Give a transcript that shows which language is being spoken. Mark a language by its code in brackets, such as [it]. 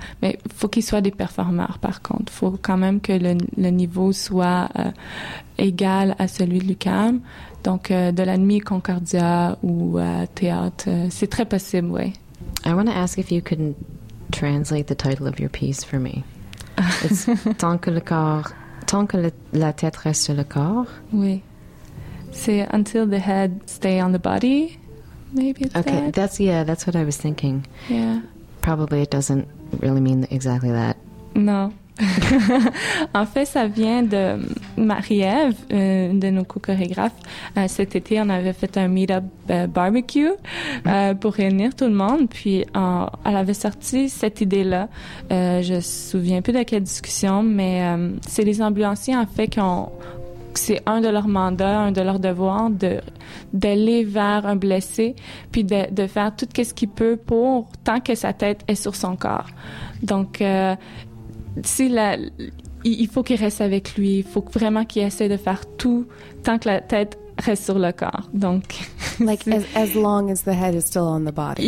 [fr] mais il faut qu'ils soient des performeurs, par contre. Il faut quand même que le niveau soit égal à celui de l'UQAM. Donc, de la nuit, Concordia ou théâtre, c'est très possible, oui. [en] I want to ask if you could translate the title of your piece for me. [fr] It's Tant que le corps... Tant que la tête reste sur le corps. Oui. C'est [en] Until the head stay on the body. Maybe it's okay, that. That's what I was thinking. Yeah. Probably it doesn't really mean exactly that. [fr] Non. En fait, ça vient de Marie-Ève, une de nos co-chorégraphes. Cet été, on avait fait un meet-up barbecue pour réunir tout le monde. Puis, elle avait sorti cette idée-là. Je ne me souviens plus de quelle discussion, mais c'est les ambulanciers, en fait, qui ont... C'est un de leurs mandats, un de leurs devoirs d'aller vers un blessé puis de faire tout ce qu'il peut pour tant que sa tête est sur son corps. Donc, il faut qu'il reste avec lui. Il faut vraiment qu'il essaie de faire tout tant que la tête reste sur le corps. Donc, [en] like, as long as the head is still on the body.